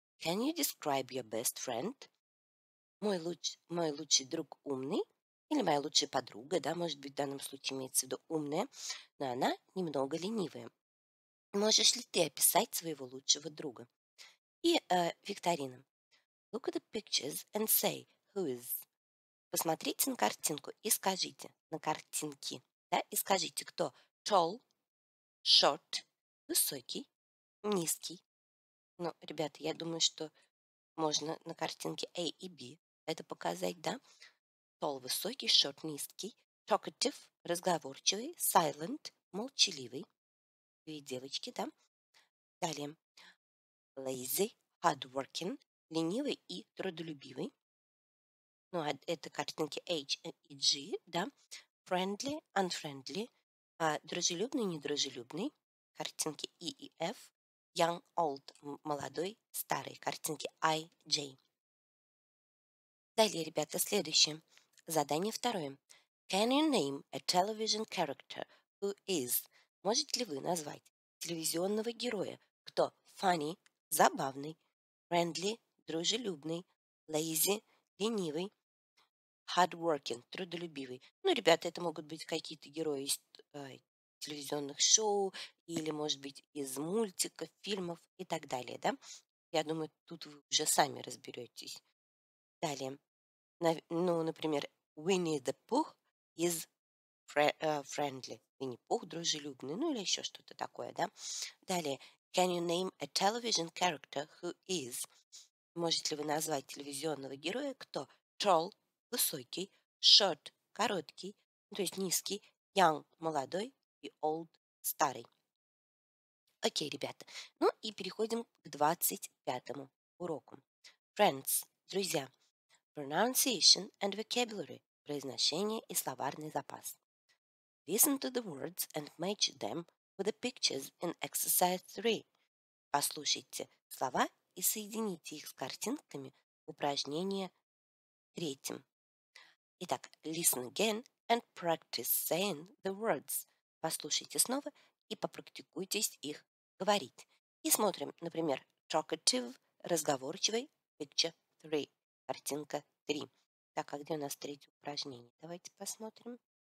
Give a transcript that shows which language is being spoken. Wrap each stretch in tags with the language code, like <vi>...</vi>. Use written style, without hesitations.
<en>Can you describe your best friend?</en> <ru>Мой лучший друг умный. Или моя лучшая подруга, да, может быть, в данном случае имеется в виду умная, но она немного ленивая. Можешь ли ты описать своего лучшего друга? И викторина.</ru> <en>Look at the pictures and say who is.</en> <ru>Посмотрите на картинку и скажите, на картинке, да, и скажите, кто</ru> <en>tall, short,</en> <ru>высокий, низкий. Ну, ребята, я думаю, что можно на картинке A и B это показать, да. Tall – высокий, short – низкий, talkative – разговорчивый, silent – молчаливый. Две девочки, да? Далее. Lazy – hardworking – ленивый и трудолюбивый. Ну, а это картинки H и G, да?</ru> <en>Friendly – unfriendly</en> <ru>– дружелюбный, недружелюбный. Картинки E и F –</ru> <en>young, old</en> <ru>– молодой, старый. Картинки I, J. Далее, ребята, следующее. Задание второе.</ru> <en>Can you name a television character who is?</en> <ru>Можете ли вы назвать телевизионного героя, кто funny, забавный, friendly, дружелюбный, lazy, ленивый, hardworking, трудолюбивый? Ну, ребята, это могут быть какие-то герои из телевизионных шоу или, может быть, из мультиков, фильмов и так далее, да? Я думаю, тут вы уже сами разберетесь. Далее. Например,</ru> <en>Winnie the Pooh is friendly.</en> <ru>Winnie Pooh дружелюбный, ну или еще что-то такое, да? Далее.</ru> <en>Can you name a television character who is?</en> <ru>Можете ли вы назвать телевизионного героя, кто tall, высокий, short, короткий, то есть низкий, young, молодой и old, старый? Окей, ребята. Ну и переходим к 25-му уроку.</ru> <en>Friends, друзья. Pronunciation and vocabulary.</en> <ru>Произношение и словарный запас.</ru> <en>Listen to the words and match them with the pictures in exercise 3.</en> <ru>Послушайте слова и соедините их с картинками в упражнении 3. Итак,</ru> <en>listen again and practice saying the words.</en> <ru>Послушайте снова и попрактикуйтесь их говорить. И смотрим, например, talkative, разговорчивый,</ru> <en>picture 3,</en> <ru>картинка 3. Так, а где у нас третье упражнение? Давайте посмотрим.</ru>